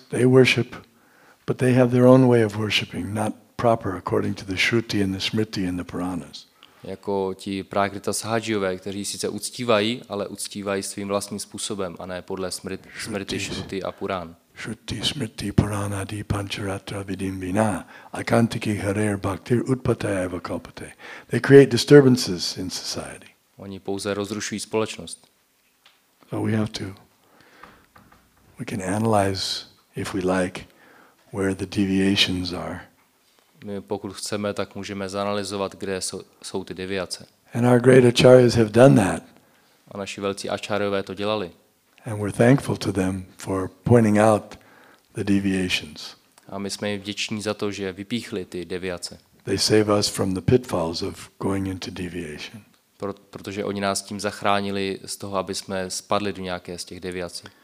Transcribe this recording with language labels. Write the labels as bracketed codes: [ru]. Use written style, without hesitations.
[en] They worship, but they have their own way of worshiping, not proper according to the Shruti and the Smriti and the Puranas. [cs] Jako ti Prakriti Sahajiyové, kteří sice uctívají, ale uctívají svým vlastním způsobem, a ne podle smrti, Shruti a Purán. [sa] Shruti Smriti Purana Adi Pancharatra Vidim Vina Akantiki Harer Bhaktir Utpataya Eva Kalpate. [en] They create disturbances in society. [cs] Oni pouze rozrušují společnost. [en] So we have to. We can analyze, if we like, where the deviations are. [cs] My pokud chceme, tak můžeme zanalyzovat, kde jsou ty deviace. [en] And our great acharyas have done that. [cs] A naši velcí acharyové to dělali. [en] And we're thankful to them for pointing out the deviations. [cs] A my jsme jim vděční za to, že vypíchli ty deviace. [en] They save us from the pitfalls of going into deviation. [cs] Protože oni nás tím zachránili z toho, aby jsme spadli do nějaké z těch deviací.